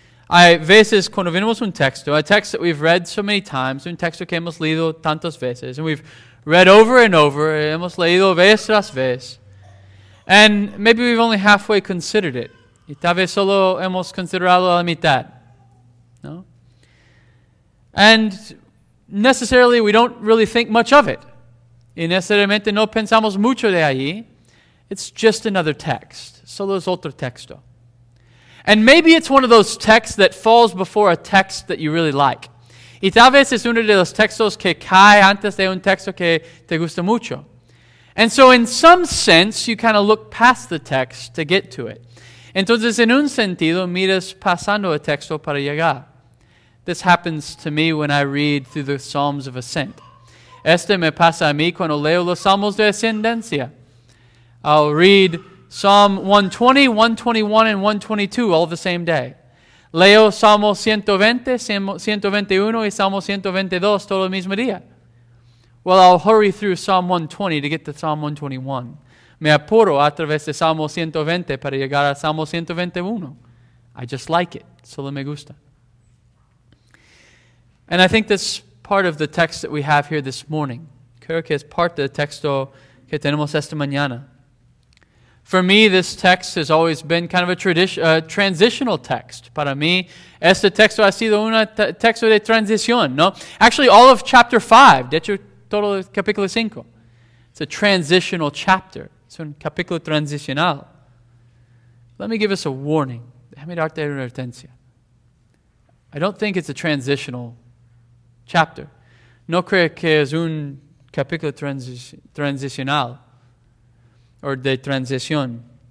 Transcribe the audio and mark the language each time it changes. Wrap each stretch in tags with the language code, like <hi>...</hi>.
<es>Hay veces cuando venimos un texto,</es> <en>a text that we've read so many times,</en> <es>un texto que hemos leído tantas veces,</es> <en>and we've read over and over,</en> <es>hemos leído vez tras vez,</es> <en>and maybe we've only halfway considered it.</en> <es>Y tal vez solo hemos considerado la mitad. No?</es> <en>And necessarily, we don't really think much of it.</en> <es>Y necesariamente no pensamos mucho de allí.</es> <en>It's just another text.</en> <es>Solo es otro texto.</es> <en>And maybe it's one of those texts that falls before a text that you really like.</en> <es>Y tal vez es uno de los textos que cae antes de un texto que te gusta mucho.</es> <en>And so in some sense, you kind of look past the text to get to it.</en> <es>Entonces, en un sentido, miras pasando el texto para llegar.</es> <en>This happens to me when I read through the Psalms of Ascent.</en> <es>Este me pasa a mí cuando leo los Salmos de Ascendencia.</es> <en>I'll read Psalm 120, 121, and 122 all the same day.</en> <es>Leo Salmo 120, 121, y Salmo 122 todo el mismo día.</es> <en>Well, I'll hurry through Psalm 120 to get to Psalm 121.</en> <es>Me apuro a través de Salmo 120 para llegar a Salmo 121.</es> <en>I just like it.</en> <es>Solo me gusta.</es> <en>And I think that's part of the text that we have here this morning.</en> <es>Creo que es parte del texto que tenemos esta mañana.</es> <en>For me, this text has always been kind of a transitional text.</en> <es>Para mí, este texto ha sido un texto de transición, ¿no?</es> <en>Actually, all of chapter 5,</en> <es>de hecho, todo el capítulo 5.</es> <en>It's a transitional chapter.</en> <es>Es un capítulo transicional.</es> <en>Let me give us a warning.</en> <es>Déjame darte una advertencia.</es> <en>I don't think it's a transitional chapter.</en> <es>No creo que es un capítulo transicional or de transición.</es>